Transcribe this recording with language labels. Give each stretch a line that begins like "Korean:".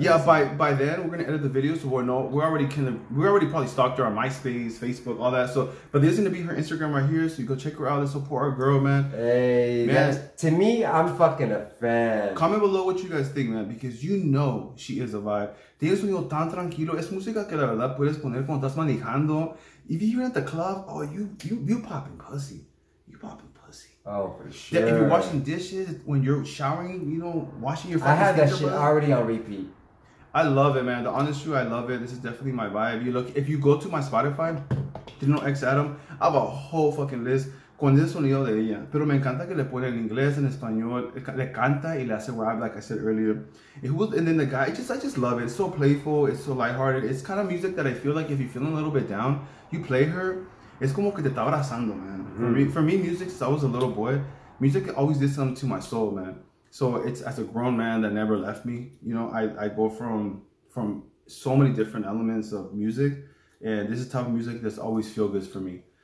English: Yeah, by then we're gonna edit the video, so we already probably stalked her on MySpace, Facebook, all that. So, but there's gonna be her Instagram right here, so you go check her out and support our girl, man. Hey, man, to me, I'm fucking a fan. Comment below what you guys think, man, because you know she is a vibe.
Spanish: Tienes un tan tranquilo, es música que la verdad puedes poner cuando estás manejando.
English: If you're at the club, oh, you popping pussy, you popping. Oh, for sure. If you're washing dishes, when you're showering, you know, washing your face. I have that shit already on repeat. I love it, man. The honest truth, I love it. This is definitely my vibe. You look, if you go to my Spotify, TrinoAdam, I have a whole fucking list
Spanish: con ese sonido de ella. Pero me encanta que le pone en inglés, en español. Le canta y le hace rap,
English: like I said earlier. It was, and then the guy, I just love it. It's so playful. It's so lighthearted. It's kind of music that I feel like if you're feeling a little bit down, you play her. It's
Spanish: como que te está abrazando,
English: man. For me, music, since I was a little boy, music always did something to my soul, man. So it's as a grown man that never left me. You know, I go from so many different elements of music, and this is the type of music that's always feel good for me.